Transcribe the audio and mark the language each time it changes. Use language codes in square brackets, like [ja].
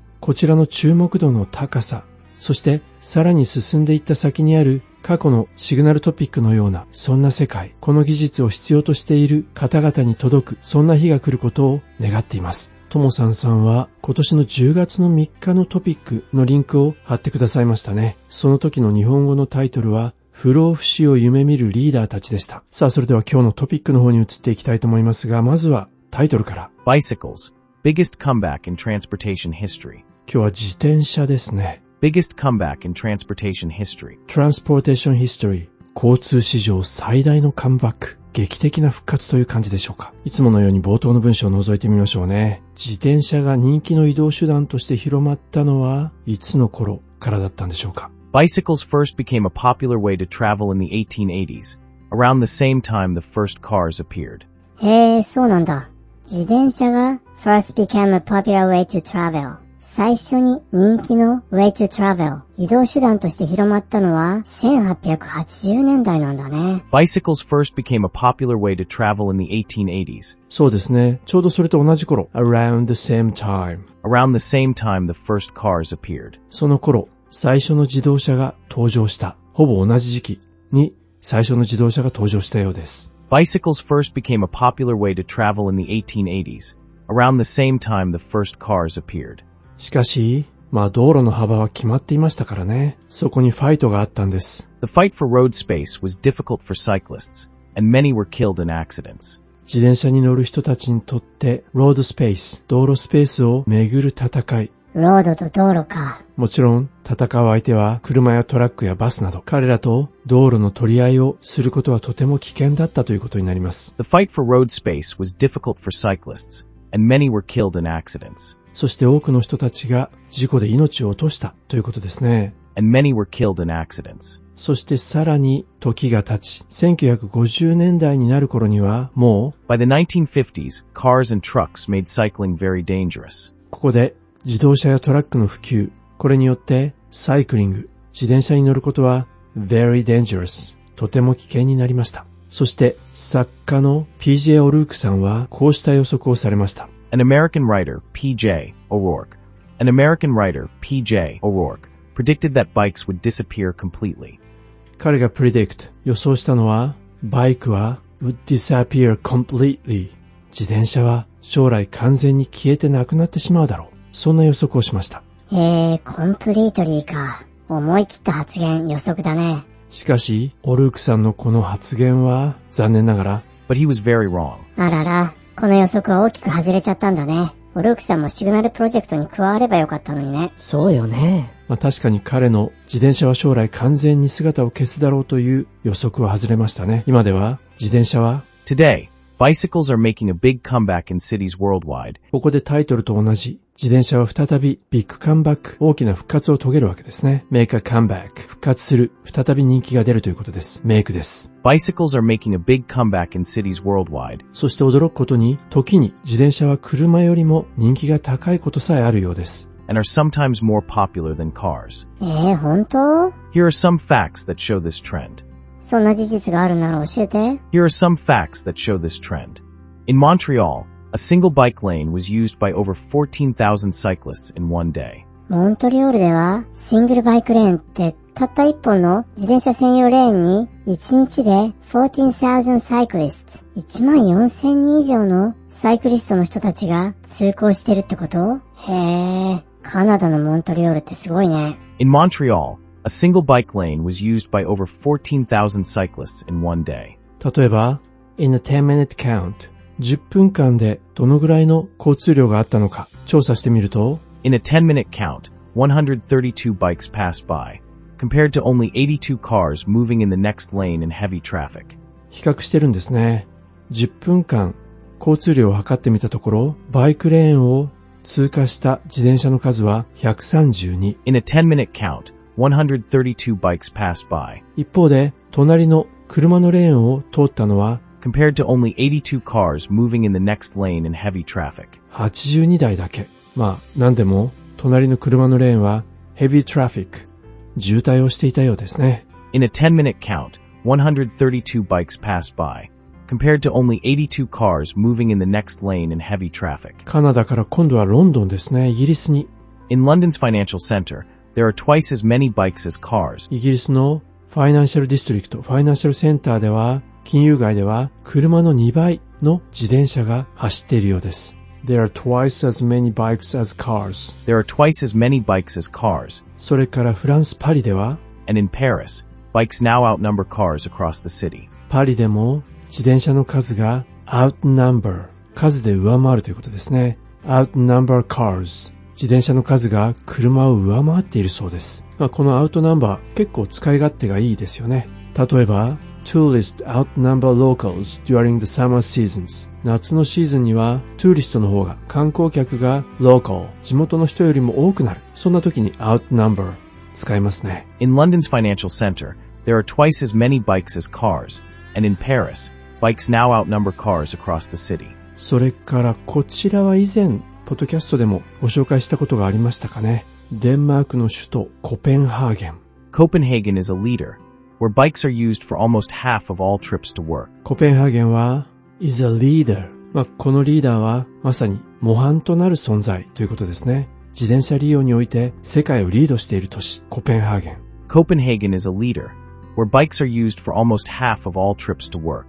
[ja] こちらの注目度の高さ、そしてさらに進んでいった先にある過去のシグナルトピックのような、そんな世界、この技術を必要としている方々に届く、そんな日が来ることを願っています。ともさんさんは今年の10月の3日のトピックのリンクを貼ってくださいましたね。その時の日本語のタイトルは不老不死を夢見るリーダーたちでした。さあ、それでは今日のトピックの方に移っていきたいと思いますが、まずはタイトルから。 [en] Bicycles, biggest comeback in transportation history. [ja] 今日は自転車ですね。 [en] Biggest comeback in transportation history. Transportation history. [ja] 交通史上最大のカムバック。劇的な復活という感じでしょうか。いつものように冒頭の文章を覗いてみましょうね。自転車が人気の移動手段として広まったのはいつの頃からだったんでしょうか。 [en] Bicycles first became a popular way to travel in the 1880s, around the same time the first cars appeared. [ja] へえ、そうなんだ。自転車が [en] first became a popular way to travel. [ja] 最初に人気の [en] way to travel [ja] 移動手段として広まったのは1880年代なんだね。 [en] Bicycles first became a popular way to travel in the 1880s. [ja] そうですね。ちょうどそれと同じ頃。 [en] Around the same time. Around the same time the first cars appeared. [ja] その頃、最初の自動車が登場した。ほぼ同じ時期に最初の自動車が登場したようです。 [en] Bicycles first became a popular way to travel in the 1880s. Around the same time the first cars appeared. [ja] しかし、まあ道路の幅は決まっていましたからね。そこにファイトがあったんです。 [en] The fight for road space was difficult for cyclists, and many were killed in accidents. [ja] 自転車に乗る人たちにとって、ロードスペース、道路スペースをめぐる戦い。ロードと道路か。もちろん、戦う相手は車やトラックやバスなど、彼らと道路の取り合いをすることはとても危険だったということになります。 [en] The fight for road space was difficult for cyclists, and many were killed in accidents. [ja] そして多くの人たちが事故で命を落としたということですね。 [en] And many were killed in accidents. [ja] そしてさらに時が経ち、1950年代になる頃にはもう、 [en] By the 1950s, cars and trucks made cycling very dangerous. [ja] ここで自動車やトラックの普及、これによってサイクリング、自転車に乗ることは [en] very dangerous、 [ja] とても危険になりました。そして作家の PJ オルークさんはこうした予測をされました。 [en] An American writer, P.J. O'Rourke, An American writer, P.J. O'Rourke, predicted that bikes would disappear completely. [ja] 彼が predict, 予想したのは、バイクは [en] would disappear completely. [ja] 自転車は将来完全に消えてなくなってしまうだろう。そんな予測をしました。へえ、completely か。思い切った発言、予測だね。しかし、オルークさんのこの発言は、残念ながら、 [en] But he was very wrong. [ja] あらら、この予測は大きく外れちゃったんだね。オルークさんもシグナルプロジェクトに加わればよかったのにね。そうよね。まあ確かに彼の自転車は将来完全に姿を消すだろうという予測は外れましたね。今では自転車は [en] Today, bicycles are making a big comeback in cities worldwide. [ja] ここでタイトルと同じ自転車は再びビッグカムバック大きな復活を遂げるわけですね。 [en] Make a comeback [ja] 復活する再び人気が出るということです。メイクです。 [en] Bicycles are making a big comeback in cities worldwide. [ja] そして驚くことに時に自転車は車よりも人気が高いことさえあるようです。 [en] And are sometimes more popular than cars. [ja] 本当? [en] Here are some facts that show this trend. [ja] そんな事実があるなら教えて。 [en] Here are some facts that show this trend. In Montreal, a single bike lane was used by over 14,000 cyclists in one day. [ja] モントリオールではシングルバイクレーンってたった一本の自転車専用レーンに1日で [en] 14,000 cyclists [ja] 14,000人以上のサイクリストの人たちが通行してるってこと?へえ。カナダのモントリオールってすごいね。 [en] In Montreal, a single bike lane was used by over 14,000 cyclists in one day. [ja] 例えば、 [en] In a 10-minute count, [ja] 10分間でどのぐらいの交通量があったのか調査してみると、 [en] In a 10-minute count, 132 bikes passed by, compared to only 82 cars moving in the next lane in heavy traffic. [ja] 比較してるんですね。 10分間、交通量を測ってみたところ、バイクレーンを通過した自転車の数は132。 [en] In a 10-minute count, 132 bikes passed by. [ja] 一方で、隣の車のレーンを通ったのは、 [en] compared to only 82 cars moving in the next lane in heavy traffic. [ja] 82台だけ。まあ、なんでも、隣の車のレーンは、 [en] heavy traffic、 [ja] 渋滞をしていたようですね。 [en] In a 10-minute count, 132 bikes passed by. Compared to only 82 cars moving in the next lane in heavy traffic. [ja] カナダから今度はロンドンですね。イギリスに。 [en] In London's financial center, there are twice as many bikes as cars. [ja] イギリスのファイナンシャルディストリクト、ファイナンシャルセンターでは、金融街では車の2倍の自転車が走っているようです。 [en] There are twice as many bikes as cars. There are twice as many bikes as cars. [ja] それからフランス、パリでは、 [en] And in Paris, bikes now outnumber cars across the city. [ja] パリでも、自転車の数が outnumber 数で上回るということですね。 [en] outnumber cars [ja] 自転車の数が車を上回っているそうです。まあ、この outnumber 結構使い勝手がいいですよね。例えば [en] tourists outnumber locals during the summer seasons [ja] 夏のシーズンにはトゥーリストの方が観光客が local 地元の人よりも多くなる。そんな時に outnumber 使いますね。 [en] In London's financial center there are twice as many bikes as carsAnd in Paris, bikes now outnumber cars across the city. [ja] それからこちらは以前ポッドキャストでもご紹介したことがありましたかね。デンマークの首都コペンハーゲン。 [en] Copenhagen is a leader, where bikes are used for almost half of all trips to work. [ja] コペンハーゲンは [en] is a leader. [ja] まあ、このリーダーはまさに模範となる存在ということですね。自転車利用において世界をリードしている都市、コペンハーゲン。 [en] Copenhagen is a leader. Where bikes are used for almost half of all trips to work.